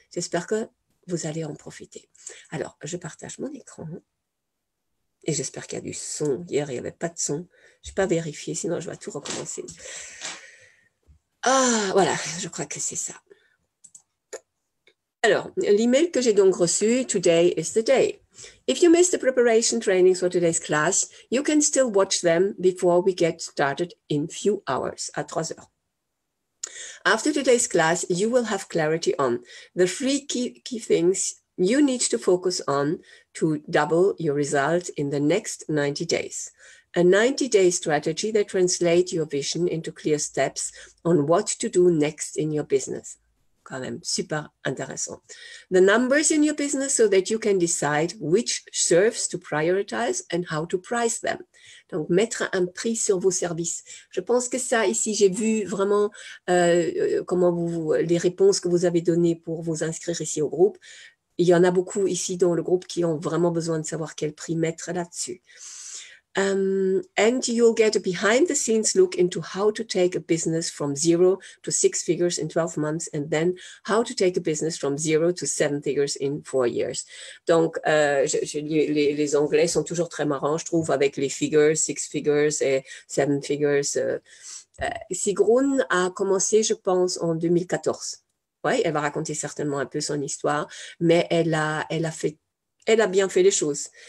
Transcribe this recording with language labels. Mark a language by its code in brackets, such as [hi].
[fr] J'espère que vous allez en profiter. Alors, je partage mon écran. Et j'espère qu'il y a du son. Hier, il n'y avait pas de son. Je n'ai pas vérifié, sinon je vais tout recommencer. Ah, voilà, je crois que c'est ça. Alors, l'email que j'ai donc reçu, [en] Today is the day. If you missed the preparation trainings for today's class, you can still watch them before we get started in few hours, [fr] à 3 heures. [en] After today's class, you will have clarity on the three key things you need to focus on to double your result in the next 90 days. A 90-day strategy that translates your vision into clear steps on what to do next in your business. [fr] Quand même super intéressant. [en] The numbers in your business so that you can decide which serves to prioritize and how to price them. [fr] Donc, mettre un prix sur vos services. Je pense que ça, ici, j'ai vu vraiment comment les réponses que vous avez données pour vous inscrire ici au groupe. Il y en a beaucoup ici dans le groupe qui ont vraiment besoin de savoir quel prix mettre là-dessus. [en] And you'll get a behind-the-scenes look into how to take a business from zero to six figures in 12 months and then how to take a business from zero to seven figures in 4 years. [fr] Donc, les Anglais sont toujours très marrants, je trouve, avec les figures, six figures et seven figures. Sigrun a commencé, je pense, en 2014. Oui, elle va raconter certainement un peu son histoire, mais elle a bien fait les choses.